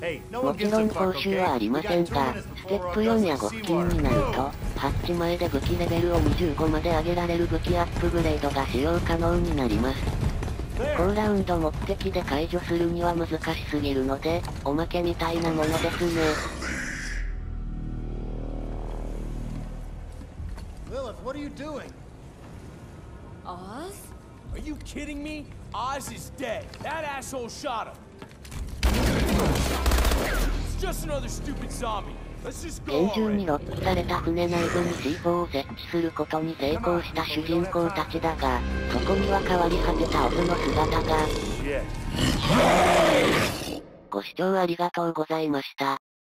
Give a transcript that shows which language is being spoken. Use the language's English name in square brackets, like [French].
[Japanese] もちろん報酬はありませんが、ステップ4や合金になると、ハッチ前で武器レベルを25まで上げられる武器アップグレードが使用可能になります。高ラウンド目的で解除するには難しすぎるので、おまけみたいなものですね。 [English] Lilith, what are you doing? Oz? Are you kidding me? Oz is dead. That asshole shot him. It's just another stupid zombie. Let's just go. [Japanese] 厳重にロックされた船内部に C4 を設置することに成功した主人公たちだが、そこには変わり果てたオズの姿が。ご視聴ありがとうございました。